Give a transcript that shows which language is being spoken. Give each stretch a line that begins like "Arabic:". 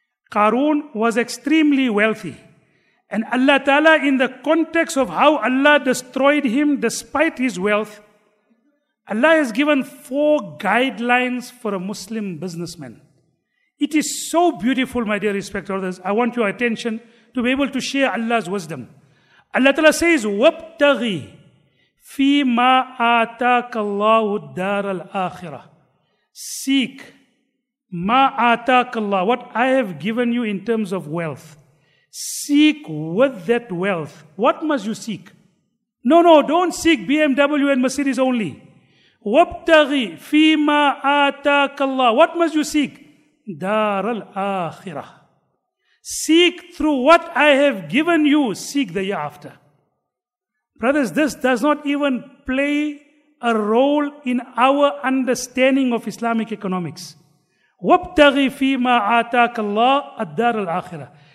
English: Qarun was extremely wealthy. And Allah Ta'ala, in the context of how Allah destroyed him despite his wealth, Allah has given four guidelines for a Muslim businessman. It is so beautiful, my dear respected brothers. I want your attention to be able to share Allah's wisdom. Allah Ta'ala says,
Arabic: وَابْتَغِي فِي مَا آتَاكَ اللَّهُ الدَّارَ الْآخِرَةِ.
English: Seek
Arabic: مَا آتَاكَ اللَّهُ,
English: what I have given you in terms of wealth. Seek with that wealth. What must you seek? No, don't seek BMW and Mercedes only.
Arabic: وَابْتَغِي فِي مَا آتَاكَ اللَّهُ,
English: what must you seek?
Arabic: دَارَ الْآخِرَةِ.
English: Seek through what I have given you, seek the year after. Brothers, this does not even play a role in our understanding of Islamic economics.
Arabic: وَابْتَغِي فِي مَا آتَاكَ اللَّهُ الدَّارَ الْآخِرَةِ.